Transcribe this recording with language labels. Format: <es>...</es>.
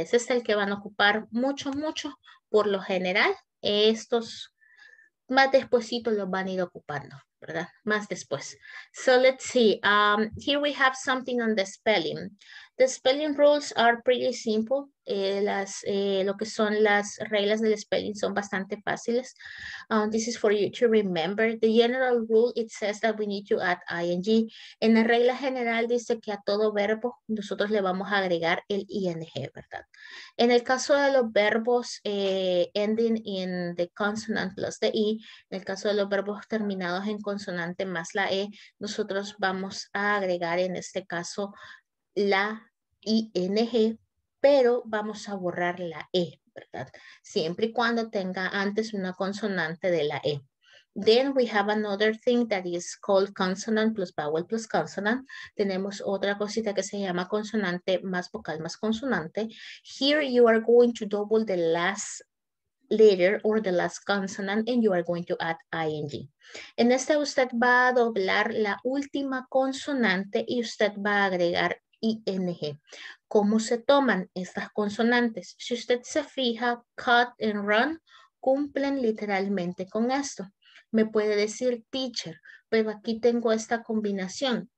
<es>Ese es el que van a ocupar mucho, mucho. Por lo general, estos más despuesito los van a ir ocupando, ¿verdad? Más después.</es> <en>So let's see. Here we have something on the spelling. The spelling rules are pretty simple.</en> <es>Lo que son las reglas del spelling son bastante fáciles.</es> <en>This is for you to remember. The general rule, it says that we need to add ing.</en> <es>En la regla general dice que a todo verbo nosotros le vamos a agregar el ing, ¿verdad? En el caso de los verbos</es> <en>ending in the consonant plus the e,</en> <es>en el caso de los verbos terminados en consonante más la e, nosotros vamos a agregar en este caso la ing, pero vamos a borrar la E, ¿verdad? Siempre y cuando tenga antes una consonante de la E.</es> <en>Then we have another thing that is called consonant plus vowel plus consonant.</en> <es>Tenemos otra cosita que se llama consonante más vocal más consonante.</es> <en>Here you are going to double the last letter or the last consonant and you are going to add ing.</en> <es>En esta usted va a doblar la última consonante y usted va a agregar ing. ¿Cómo se toman estas consonantes? Si usted se fija, cut and run cumplen literalmente con esto. Me puede decir, teacher, pero aquí tengo esta combinación.</es>